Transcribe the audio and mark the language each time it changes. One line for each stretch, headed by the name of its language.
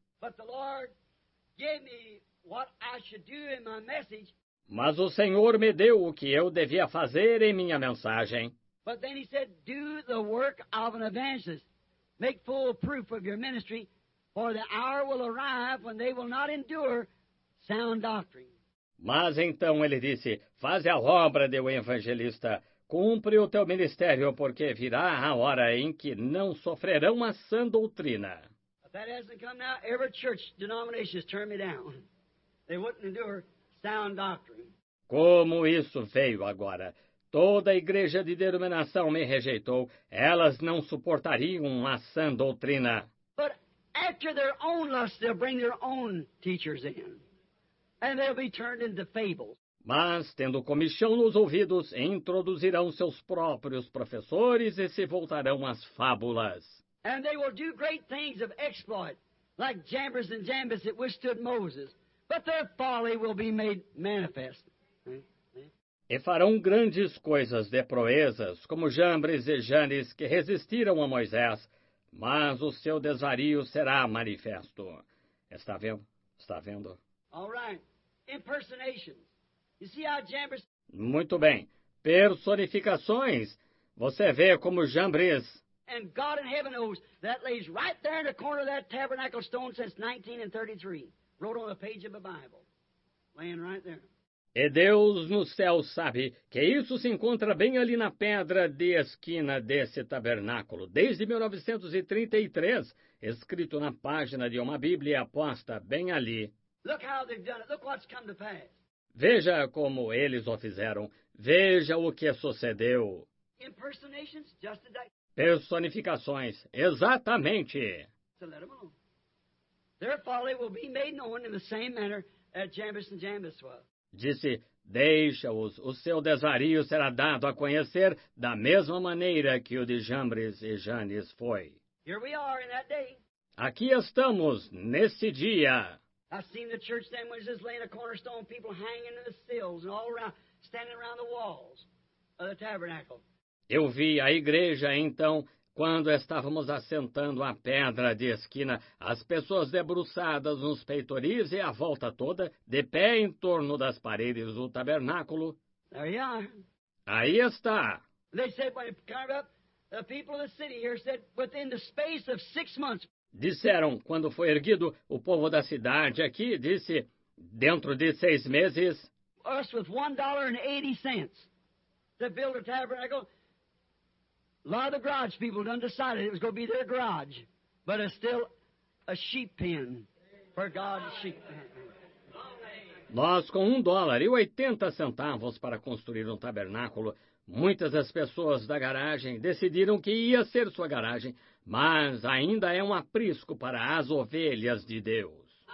English: But the Lord gave me what I should do in my message.
Portuguese: Mas o Senhor me deu o que eu devia fazer em minha mensagem.
English: But then he said, do the work of an evangelist. Make full proof of your ministry, for the hour will arrive when they will not endure sound doctrine.
Portuguese: Mas então ele disse, faz a obra de um evangelista, cumpre o teu ministério, porque virá a hora em que não sofrerão a sã doutrina.
English: If that hasn't come now, every church denomination has turned me down. They wouldn't endure sound doctrine.
Portuguese: Como isso veio agora? Toda a igreja de denominação me rejeitou. Elas não suportariam a sã doutrina.
English: But after their own lust, they'll bring their own teachers in. And they'll be turned into fables.
Portuguese: Mas, tendo comichão nos ouvidos, introduzirão seus próprios professores e se voltarão às fábulas.
English: And they will do great things of exploit, like Jambres and Jambes that withstood Moses. But their folly will be made manifest.
Portuguese: E farão grandes coisas de proezas, como Jambres e Jambes que resistiram a Moisés. Mas o seu desvario será manifesto. Está vendo? Está vendo?
English: All right. Impersonations. You see how Jambres...
Portuguese: Muito bem. Personificações. Você vê como Jambres...
English: And God in heaven knows that lays right there in the corner of that tabernacle stone since 1933. Wrote on a page of the Bible. Laying right there.
Portuguese: E Deus no céu sabe que isso se encontra bem ali na pedra de esquina desse tabernáculo. Desde 1933, escrito na página de uma Bíblia posta bem ali.
English: Look how they've done it. Look what's come to pass.
Portuguese: Veja como eles o fizeram. Veja o que sucedeu.
English: Impersonations, just a day.
Portuguese: Personificações, exatamente.
English: So let them alone. Their folly will be made known in the same manner as Jambres and Jambes was.
Portuguese: Disse, deixa-os, o seu desvario será dado a conhecer da mesma maneira que o de Jambres e Jambes foi.
English: Here we are in that day.
Portuguese: Aqui estamos, nesse dia.
English: I've seen the church then was just laying a cornerstone, people hanging in the sills and all around, standing around the walls of the tabernacle.
Portuguese: Eu vi a igreja então, quando estávamos assentando a pedra de esquina, as pessoas debruçadas nos peitoris e a volta toda, de pé em torno das paredes do tabernáculo.
English: There you are.
Portuguese: Aí está.
English: They said, when it came up, the people of the city here said, within the space of 6 months.
Portuguese: Disseram, quando foi erguido, o povo da cidade aqui disse, dentro de 6 meses,
English: us with $1.80 to build a tabernacle. A lot of the garage people done decided it was going to be their garage, but it's still a sheep pen for God's sheep.
Portuguese: Nós com $1.80 para construir um tabernáculo, muitas das pessoas da garagem decidiram que ia ser sua garagem, mas ainda é um aprisco para as ovelhas de Deus.